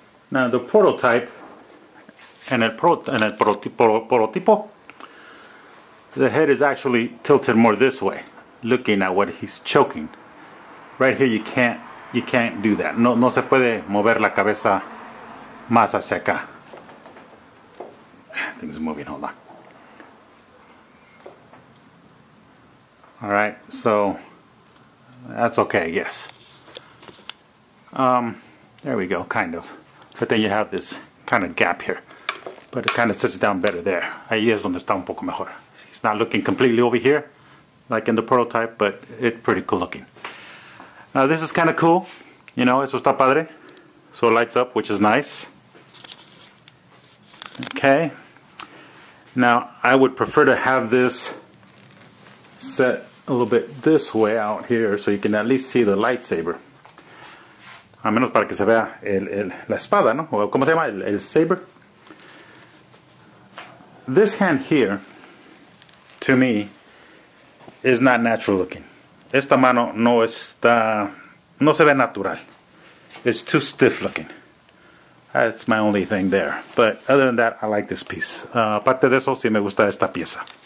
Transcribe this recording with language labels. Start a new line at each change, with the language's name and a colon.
English: Now the prototype and
Spanish: el prototipo,
English: the head is actually tilted more this way, looking at what he's choking. Right here you can't do that.
Spanish: No se puede mover la cabeza más hacia acá.
English: Things are moving, hold on. Alright, so that's okay, I guess. There we go, kind of. But then you have this kind of gap here. But it kind of sits down better there.
Spanish: Ahí es donde está un poco mejor.
English: It's not looking completely over here, like in the prototype, but it's pretty cool looking. Now this is kind of cool. You know,
Spanish: eso está padre.
English: So it lights up, which is nice. Okay. Now I would prefer to have this set a little bit this way out here so you can at least see the lightsaber.
Spanish: A menos para que se vea la espada, ¿no? O ¿cómo se llama? El saber.
English: This hand here, to me, is not natural looking.
Spanish: Esta mano no está... no se ve natural.
English: It's too stiff looking. That's my only thing there. But other than that, I like this piece.
Spanish: Aparte de eso, sí me gusta esta pieza.